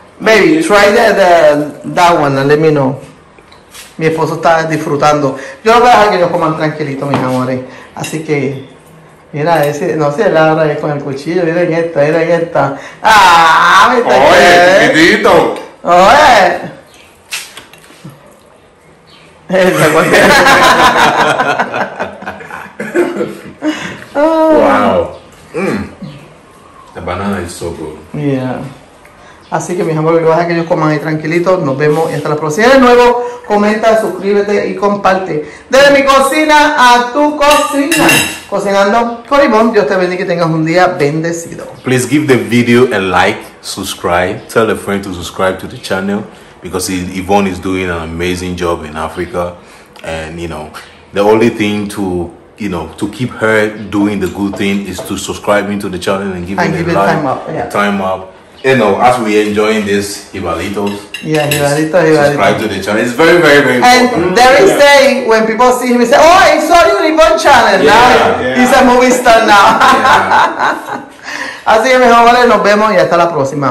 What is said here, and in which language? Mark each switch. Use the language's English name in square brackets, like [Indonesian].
[English] Baby, try that one and let me know. [Spanish] Mi esposo está disfrutando. Yo no voy a dejar que ellos coman tranquilito, mis amores. Así que, mira, ese, no se ladra con el cuchillo. Miren esta. ¡Ah! ¡Oye, chiquitito! ¡Oye! ¡Wow! La banana es [English] so good. Yeah. [Spanish] Así que, mis amores, voy a dejar que ellos coman ahí tranquilito. Nos vemos y hasta la próxima. De nuevo. Comenta, suscríbete y comparte. Desde mi cocina a tu cocina. Cocinando con Ivón. Dios te bendiga y que tengas un día bendecido. [English] Please give the video a like, subscribe. Tell a friend to subscribe to the channel. Because Ivón is doing an amazing job in Africa. And, you know, the only thing to, you know, to keep her doing the good thing is to subscribe into the channel and give it a like. Time up. You know, as we enjoying this jibaritos. Yeah, jibaritos. Subscribe to the channel. It's very, very, very important. And Derek say, when people see him, he say, oh, I saw you in one channel. Yeah, now yeah. He's a movie star now. Yeah. [Spanish] Así que, mis amores, nos vemos y hasta la próxima.